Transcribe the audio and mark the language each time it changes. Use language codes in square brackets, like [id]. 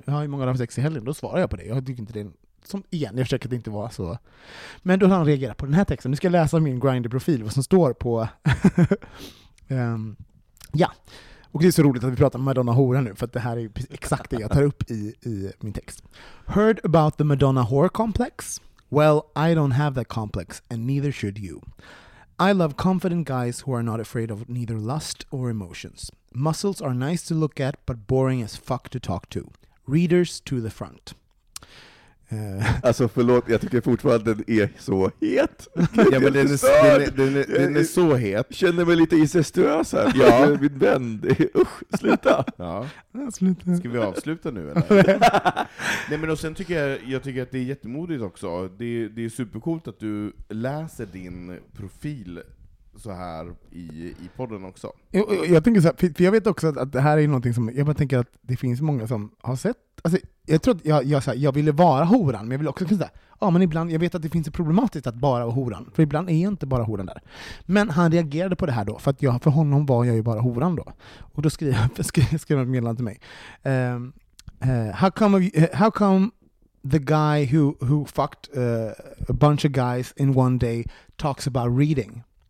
[sv] Jag har ju många av sex i helgen, då svarar jag på det. Jag tycker inte det är som igen, jag försöker att det inte vara så. Men då har han reagerat på den här texten. Nu ska jag läsa min Grindr-profil, vad som står på ja. Och det är så roligt att vi pratar med Madonna Hora nu, för att det här är exakt det jag tar upp i min text. [en] Heard about the Madonna Whore complex? Well, I don't have that complex, and neither should you. I love confident guys who are not afraid of neither lust or emotions. Muscles are nice to look at, but boring as fuck to talk to. Readers to the front. [sv] Alltså förlåt, jag tycker fortfarande den är så het. Ja, men den är så het. Känner mig lite incestuös här. Ja, min vän. Usch, sluta. Ja. Sluta. Ska vi avsluta nu eller? Nej, men och sen tycker jag tycker att det är jättemodigt också. Det är supercoolt att du läser din profil så här i podden också. Jag tänker så här, för jag vet också att det här är någonting som jag bara tänker att det finns många som har sett. Alltså, jag tror att jag ville vara horan, men jag vill också kunna säga, ja, men ibland jag vet att det finns ett problematiskt att bara vara horan, för ibland är jag inte bara horan där. Men han reagerade på det här då, för att jag, för honom var jag ju bara horan då. Och då skrev han ett meddelande till mig. [en] How come the guy who fucked a bunch of guys in one day talks about reading?